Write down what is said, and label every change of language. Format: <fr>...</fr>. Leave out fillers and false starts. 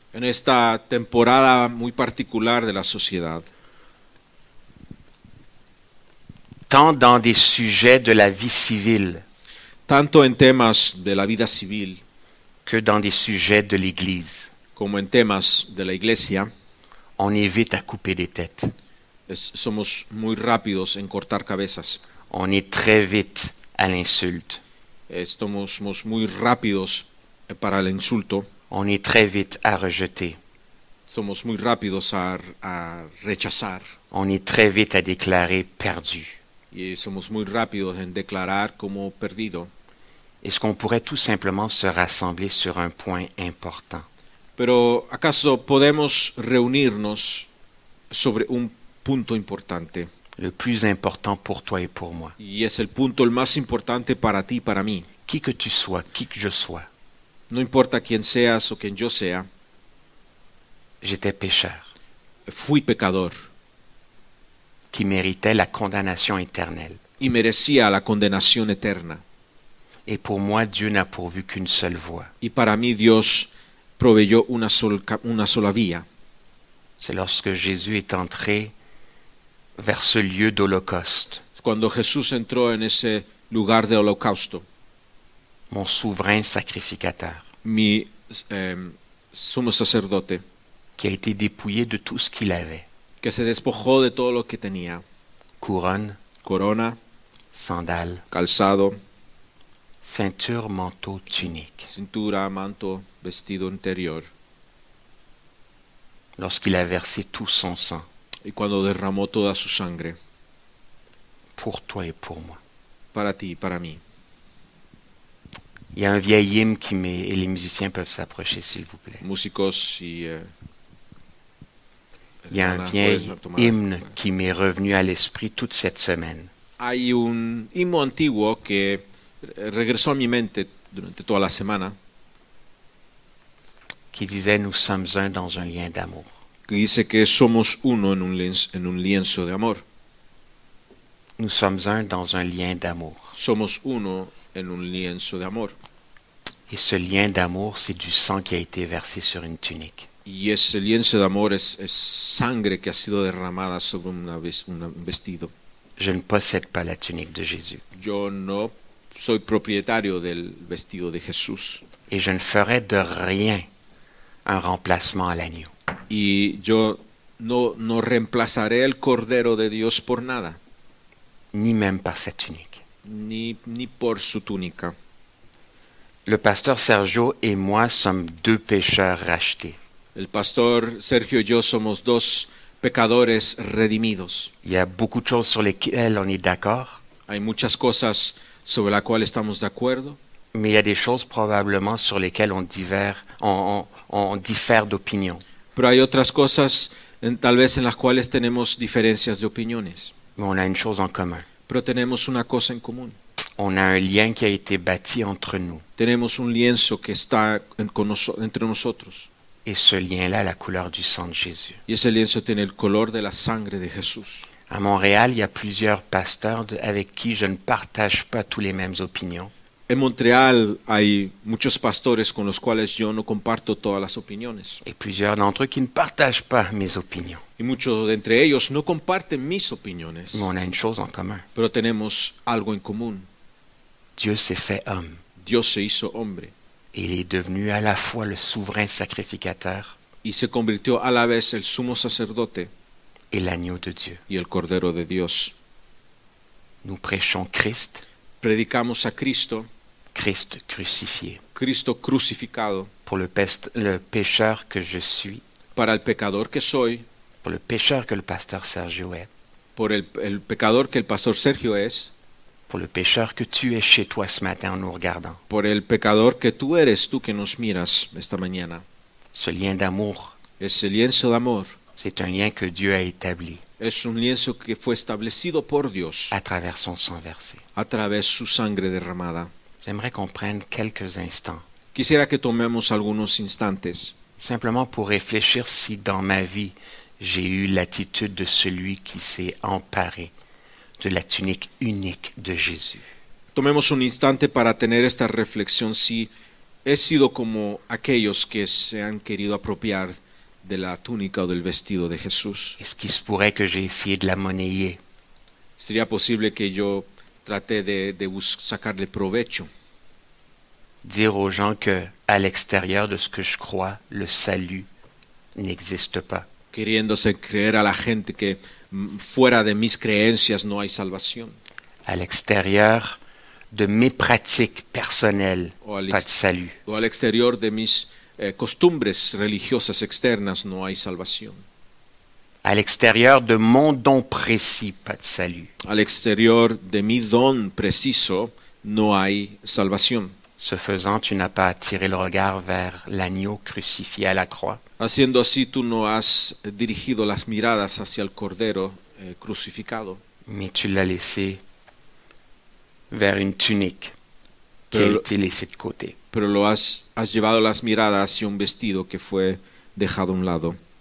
<es>En esta temporada muy particular de la sociedad.</es> <fr>Tant dans des sujets de la vie civile.</fr> <es>Tanto en temas de la vida civil.</es> <fr>Que dans des sujets de l'Église.</fr> <es>Como en temas de la Iglesia.</es> <fr>On est vite à couper des têtes.</fr> <es>Somos muy rápidos en cortar cabezas.</es> <fr>On est très vite à l'insulte.</fr> <es>Somos muy rápidos para el insulto.</es> <fr>On est très vite à rejeter.</fr> <es>Somos muy rápidos a rechazar.</es> <fr>On est très vite à déclarer perdu.</fr> <es>Y somos muy rápidos en declarar como perdido.</es> <fr>Est-ce qu'on pourrait tout simplement se rassembler sur un point important?</fr> <es>Pero acaso podemos reunirnos sobre un punto importante.</es> <fr>Le plus important pour toi et pour moi.</fr> <es>Y es el punto el más importante para ti y para mí.</es> <fr>Qui que tu sois, qui que je sois.</fr> <es>No importa quién seas o quién yo sea.</es> <fr>J'étais pécheur.</fr> <es>Fui pecador.</es> <fr>Qui méritait la condamnation éternelle.</fr> <es>Y merecía la condenación eterna.</es> <fr>Et pour moi, Dieu n'a pourvu qu'une seule voie.</fr> <es>Y para mí Dios proveyó una sola vía.</es> <fr>C'est lorsque Jésus est entré vers ce lieu d'holocauste.</fr> <es>Cuando Jesús entró en ese lugar de holocausto.</es> <fr>Mon souverain sacrificateur.</fr> <es>Mi sumo sacerdote.</es> <fr>Qui a été dépouillé de tout ce qu'il avait.</fr> <es>Que se despojó de todo lo que tenía.</es> <fr>Couronne.</fr> <es>Corona.</es> <fr>Sandales.</fr> <es>Calzado.</es> <fr>Ceinture, manteau, tunique.</fr> <es>Cintura, manto, vestido interior.</es> <fr>Lorsqu'il a versé tout son sang.</fr> <es>Y cuando derramó toda su sangre.</es> <fr>Pour toi et pour moi.</fr> <es>Para ti y para mí.</es> <fr>Il y a un vieil hymne qui m'est... Et les musiciens peuvent s'approcher, s'il vous plaît.</fr> <es>Músicos y...</es> <fr>Il y a un vieil hymne qui m'est revenu à l'esprit toute cette semaine.</fr> <es>Hay un himno antiguo que... regresó a mi mente durante toda la semana.</es> <fr>Qui disait nous sommes un dans un lien d'amour.</fr> <es>Que dice que somos uno en un lienzo de amor.</es> <fr>Nous sommes un dans un lien d'amour.</fr> <es>Somos uno en un lienzo de amor.</es> <fr>Et ce lien d'amour, c'est du sang qui a été versé sur une tunique.</fr> <es>Y ese lienzo de amor es sangre que ha sido derramada sobre un vestido.</es> <fr>Je ne possède pas la tunique de Jésus.</fr> <es>Yo no soy propietario del vestido de Jesús.</es> <fr>Et je ne ferai de rien un remplacement à l'agneau.</fr> <es>Y yo no reemplazaré el cordero de Dios por nada.</es> <fr>Ni même par cette tunique.</fr> <es>Ni por su túnica.</es> <fr>Le pasteur Sergio et moi sommes deux pécheurs rachetés.</fr> <es>El pastor Sergio y yo somos dos pecadores redimidos.</es> <fr>Il y a beaucoup de choses sur lesquelles on est d'accord.</fr> <es>Hay muchas cosas sobre la cual estamos de acuerdo.</es> <fr>Mais il y a des choses probablement sur lesquelles on diffère d'opinion.</fr> <es>Pero hay otras cosas tal vez en las cuales tenemos diferencias de opiniones.</es> <fr>Mais on a une chose en commun.</fr> <es>Pero tenemos una cosa en común.</es> <fr>On a un lien qui a été bâti entre nous.</fr> <es>Tenemos un lienzo que está entre nosotros.</es> <fr>Et ce lien-là a la couleur du sang de Jésus.</fr> <es>Y ese lienzo tiene el color de la sangre de Jesús.</es> <fr>À Montréal, il y a plusieurs pasteurs avec qui je ne partage pas tous les mêmes opinions.</fr> <es>En Montréal, hay muchos pastores con los cuales yo no comparto todas las opiniones.</es> <fr>Et plusieurs d'entre eux qui ne partagent pas mes opinions.</fr> <es>Y muchos</es> <fr>d'entre</fr> <es>ellos no comparten mis opiniones.</es> <fr>Mais on a une chose en commun.</fr> <es>Pero tenemos algo en común.</es> <fr>Dieu s'est fait homme.</fr> <es>Dios se hizo hombre.</es> <fr>Et il est devenu à la fois le souverain sacrificateur.</fr> <es>Y se convirtió a la vez el sumo sacerdote.</es> <fr>Et l'agneau de Dieu.</fr> <es>Y el cordero de Dios.</es> <fr>Nous prêchons Christ.</fr> <es>Predicamos a Cristo.</es> <fr>Christ crucifié.</fr> <es>Cristo crucificado.</es> <fr>Pour le pécheur que je suis.</fr> <es>Para el pecador que soy.</es> <fr>Pour le pécheur que le pasteur Sergio est.</fr> <es>Por el pecador que el pastor Sergio es.</es> <fr>Pour le pécheur que tu es chez toi ce matin en nous regardant.</fr> <es>Por el pecador que tú eres tú que nos miras esta mañana.</es> <fr>Ce lien d'amour.</fr> <es>Ese lienzo de amor.</es> <fr>C'est un lien que Dieu a établi.</fr> <es>Es un lienzo que fue establecido por Dios.</es> <fr>À travers son sang versé.</fr> <es>A través su sangre derramada.</es> <fr>J'aimerais qu'on prenne quelques instants.</fr> <es>Quisiera que tomemos algunos instantes.</es> <fr>Simplement pour réfléchir si dans ma vie j'ai eu l'attitude de celui qui s'est emparé de la tunique unique de Jésus.</fr> <es>Tomemos un instante para tener esta reflexión si he sido como aquellos que se han querido apropiar de la túnica o del vestido de Jesús.</es> <fr>Est-ce qu'il se pourrait que j'ai essayé de la monnayer?</fr> <es>¿Sería posible que yo traté de sacarle provecho?</es> <fr>Dire aux gens que à l'extérieur de ce que je crois, le salut n'existe pas.</fr> <es>Queriéndose creer a la gente que fuera de mis creencias no hay salvación.</es> <fr>À l'extérieur de mes pratiques personnelles, pas de salut.</fr> <es>O al exterior de mis costumbres religiosas externas no hay salvación.</es> <fr>À l'extérieur de mon don précis, pas de salut.</fr> <es>Al exterior de mi don preciso no hay salvación.</es> <fr>Ce faisant, tu n'as pas attiré le regard vers l'agneau crucifié à la croix.</fr> <es>Haciendo así, tú no has dirigido las miradas hacia el cordero crucificado.</es> <fr>Mais tu l'as laissé vers une tunique qu'il t'a laissé de côté.</fr> <es>Pero lo has llevado las miradas hacia un vestido que fue dejado a un lado.</es>